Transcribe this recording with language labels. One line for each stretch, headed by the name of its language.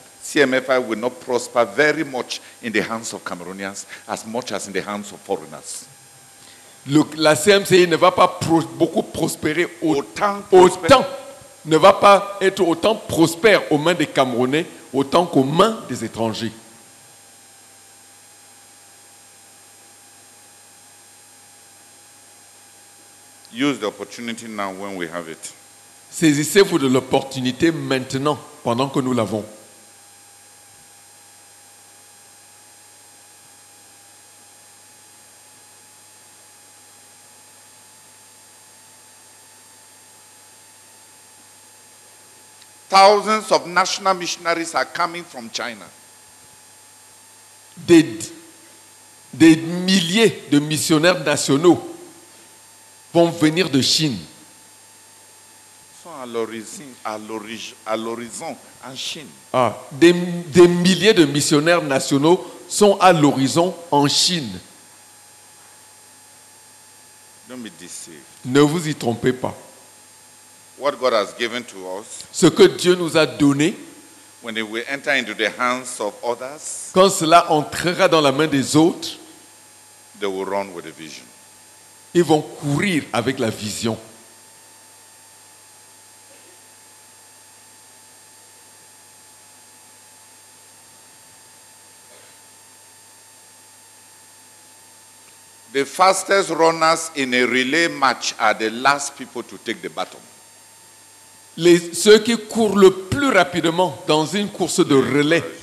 English: CMFI will not prosper very much in the hands of Cameroonians as much as in the hands of foreigners.
French: La CMCI ne va pas beaucoup prospérer autant ne va pas être autant prospère aux mains des Camerounais autant qu'aux mains des étrangers.
English: Use the opportunity now when we have it.
French: Saisissez-vous de l'opportunité maintenant pendant que nous l'avons.
English: Thousands of national missionaries are coming from China.
French: Des milliers de missionnaires nationaux vont venir de Chine. Ils sont à l'horizon en Chine. Ah, des milliers de missionnaires nationaux sont à l'horizon en Chine.
English: Don't be deceived.
French: Ne vous y trompez pas.
English: What God has given to us,
French: ce que Dieu nous a donné,
English: when it will enter into the hands of others,
French: quand cela entrera dans la main des autres,
English: they will run with the vision.
French: Ils vont courir avec la vision.
English: The fastest runners in a relay match are the last people to take the baton.
French: Ceux qui courent le plus rapidement dans une course de relais.